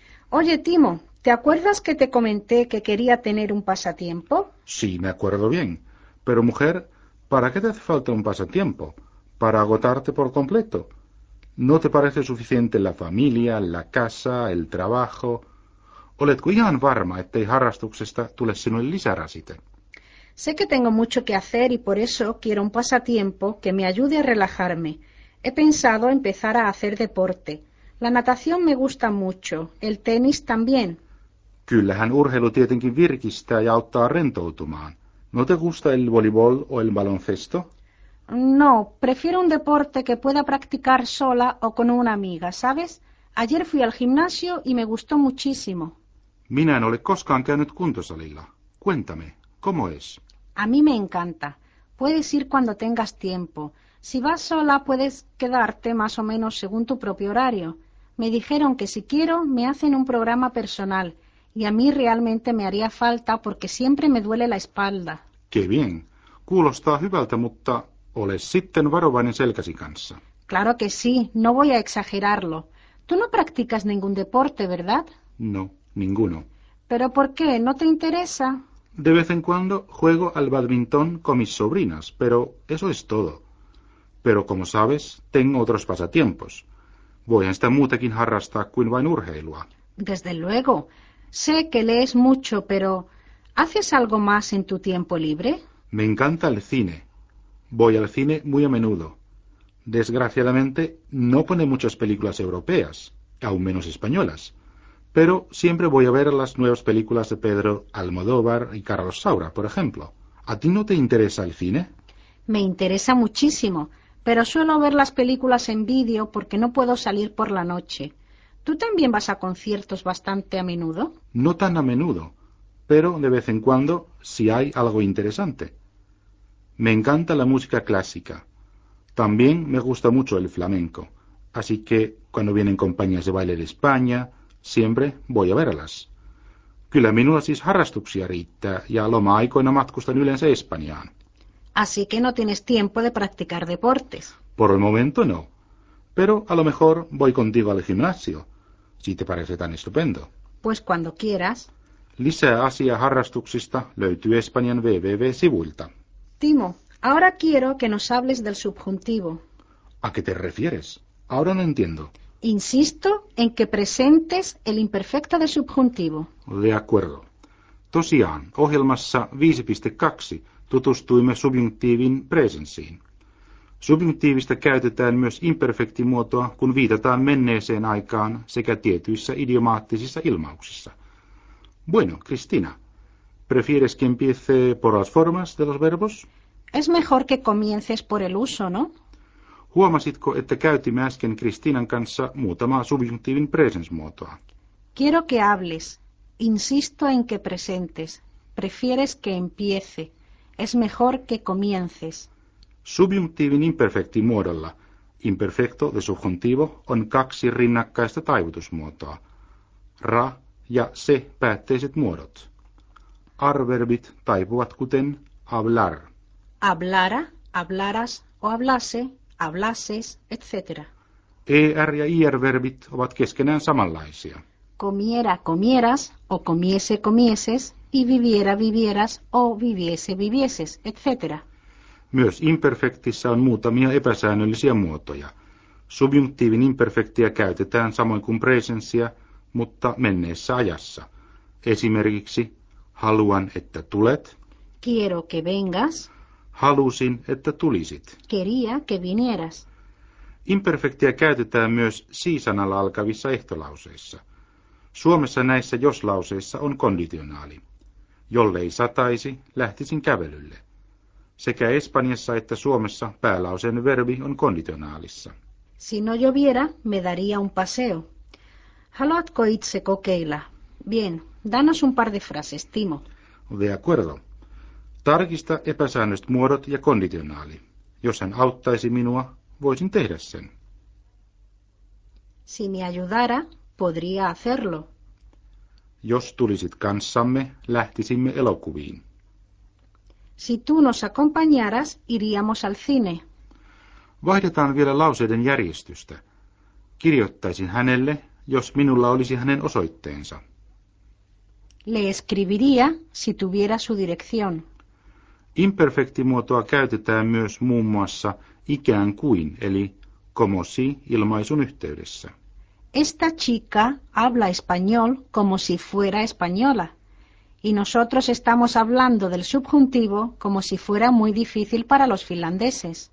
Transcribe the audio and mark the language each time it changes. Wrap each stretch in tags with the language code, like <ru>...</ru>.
<es>Oye, Timo, ¿te acuerdas que te comenté que quería tener un pasatiempo? Sí, me acuerdo bien. Pero, mujer, ¿para qué te hace falta un pasatiempo? ¿Para agotarte por completo? ¿No te parece suficiente la familia, la casa, el trabajo?</es> <fi>¿Oletko ihan varma, ettei harrastuksesta tule sinulle lisärasite?</fi> <es>Sé que tengo mucho que hacer y por eso quiero un pasatiempo que me ayude a relajarme. He pensado empezar a hacer deporte. La natación me gusta mucho, el tenis también.</es> <fi>Kyllähän urheilu tietenkin virkistää ja auttaa rentoutumaan.</fi> <es>¿No te gusta el voleibol o el baloncesto? No, prefiero un deporte que pueda practicar sola o con una amiga, ¿sabes? Ayer fui al gimnasio y me gustó muchísimo.</es> <fi>Minä en ole koskaan käynyt kuntosalilla.</fi> <es>Cuéntame, ¿cómo es? A mí me encanta. Puedes ir cuando tengas tiempo. Si vas sola, puedes quedarte más o menos según tu propio horario. Me dijeron que si quiero, me hacen un programa personal. Y a mí realmente me haría falta porque siempre me duele la espalda. ¡Qué bien!</es> <fi>Kuulostaa hyvältä, mutta ole sitten varovainen selkäsi kanssa.</fi> <es>Claro que sí, no voy a exagerarlo. Tú no practicas ningún deporte, ¿verdad? No, ninguno. ¿Pero por qué? ¿No te interesa? De vez en cuando juego al badminton con mis sobrinas, pero eso es todo. Pero como sabes, tengo otros pasatiempos. Voy a estar</es> <fi>muutakin harrastaa kuin vain urheilua.</fi> <es>Desde luego. Sé que lees mucho, pero ¿haces algo más en tu tiempo libre? Me encanta el cine. Voy al cine muy a menudo. Desgraciadamente, no pone muchas películas europeas, aún menos españolas. Pero siempre voy a ver las nuevas películas de Pedro Almodóvar y Carlos Saura, por ejemplo. ¿A ti no te interesa el cine? Me interesa muchísimo, pero suelo ver las películas en vídeo porque no puedo salir por la noche. ¿Tú también vas a conciertos bastante a menudo? No tan a menudo, pero de vez en cuando, si hay algo interesante. Me encanta la música clásica. También me gusta mucho el flamenco. Así que cuando vienen compañías de baile de España, siempre voy a verlas.</es> <fi>Kyllä minulla siis harrastuksia riittää, ja loma-aikoina matkustan yleensä Espanjaan.</fi> <es>Así que no tienes tiempo de practicar deportes. Por el momento no. Pero a lo mejor voy contigo al gimnasio, si te parece tan estupendo. Pues cuando quieras.</es> <fi>Lisää asiaa harrastuksista löytyy Espanjan www-sivuilta.</fi> <es>Timo, ahora quiero que nos hables del subjuntivo. ¿A qué te refieres? Ahora no entiendo. Insisto en que presentes el imperfecto del subjuntivo. De acuerdo.</es> <fi>Tosiaan, ohjelmassa 5.2 tutustuimme subjunktiivin presenssiin. Subjunktiivista käytetään myös imperfektimuotoa, kun viitataan menneeseen aikaan sekä tietyissä idiomaattisissa ilmauksissa.</fi> <es>Bueno, Cristina, ¿prefieres que empiece por las formas de los verbos? Es mejor que comiences por el uso, ¿no?</es> <fi>Huomasitko, että käytimme äsken Cristinan kanssa muutamaa subjunktiivin presensmuotoa?</fi> <es>Quiero que hables. Insisto en que presentes. Prefieres que empiece. Es mejor que comiences.</es> <fi>Subjunktiivin imperfektimuodolla</fi> <es>imperfecto de subjuntivo</es> <fi>on kaksi rinnakkaista taivutusmuotoa. Ra ja se päätteiset muodot. Arverbit taipuvat kuten hablar.</fi> <es>Hablara, hablaras o hablase, hablases, etc.</es> <fi>ER ja IR-verbit ovat keskenään samanlaisia.</fi> <es>Comiera, comieras o comiese, comieses y viviera, vivieras o viviese, vivieses, etc.</es> <fi>Myös imperfektissä on muutamia epäsäännöllisiä muotoja. Subjunktiivin imperfektiä käytetään samoin kuin presenssiä, mutta menneessä ajassa. Esimerkiksi haluan, että tulet.</fi> <es>Quiero que vengas.</es> <fi>Halusin, että tulisit.</fi> <es>Quería que vinieras.</es> <fi>Imperfektiä käytetään myös si-sanalla alkavissa ehtolauseissa. Suomessa näissä jos-lauseissa on konditionaali. Jollei sataisi, lähtisin kävelylle. Sekä Espanjassa että Suomessa päälauseen verbi on konditionaalissa.</fi> <es>Si no lloviera, me daría un paseo.</es> <fi>Haluatko itse kokeilla?</fi> <es>Bien, danos un par de frases, Timo. De acuerdo.</es> <fi>Tarkista epäsäännöiset muodot ja konditionaali. Jos hän auttaisi minua, voisin tehdä sen.</fi> <es>Si me ayudara, podría hacerlo.</es> <fi>Jos tulisit kanssamme, lähtisimme elokuviin.</fi> <es>Si tú nos acompañaras, iríamos al cine.</es> <fi>Vaihdetaan vielä lauseiden järjestystä. Kirjoittaisin hänelle, jos minulla olisi hänen osoitteensa.</fi> <es>Le escribiría, si tuviera su dirección.</es> <fi>Imperfektimuotoa käytetään myös muun muassa ikään kuin, eli</fi> <es>como si</es> <fi>ilmaisun yhteydessä.</fi> <es>Esta chica habla español como si fuera española. Y nosotros estamos hablando del subjuntivo como si fuera muy difícil para los finlandeses.</es>